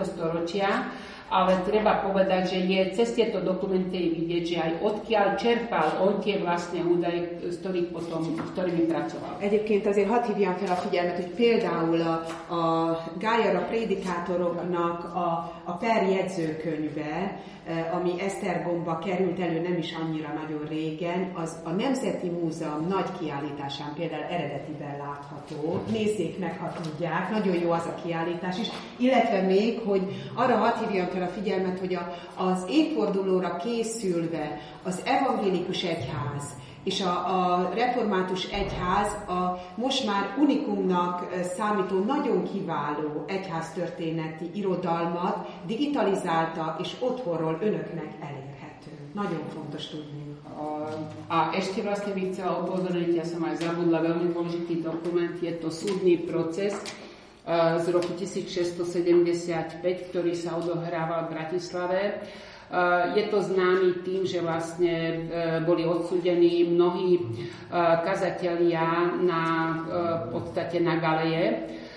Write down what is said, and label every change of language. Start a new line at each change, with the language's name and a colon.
Slovak: storočia, ale treba povedať, že je cez tieto dokumenty vidieť, že aj odkiaľ čerpal on tie vlastne údaje, s ktorými pracoval.
Hungarian: Egyébként azért hadd hívjam fel a figyelmet, hogy például a Gájara prédikátoroknak a perjegyzőkönyve, ami Esztergomba került elő nem is annyira nagyon régen, az a Nemzeti Múzeum nagy kiállításán például eredetiben látható. Nézzék meg, ha tudják, nagyon jó az a kiállítás is. Illetve még, hogy arra hadd hívjam fel a figyelmet, hogy az évfordulóra készülve az evangélikus egyház és a református egyház a most már unikumnak számító nagyon kiváló egyháztörténeti irodalmat digitalizálta, és otthonról önöknek elérhető. Nagyon fontos tudni.
Slovak: A ešte vlastne bych chcela upozorniť, ja som aj zabudla, veľmi dôležitý dokument, je to súdny proces z roku 1675, ktorý sa odohrával v Bratislave. Je to známy tým, že vlastne boli odsúdení mnohí kazatelia na podstate na galeje.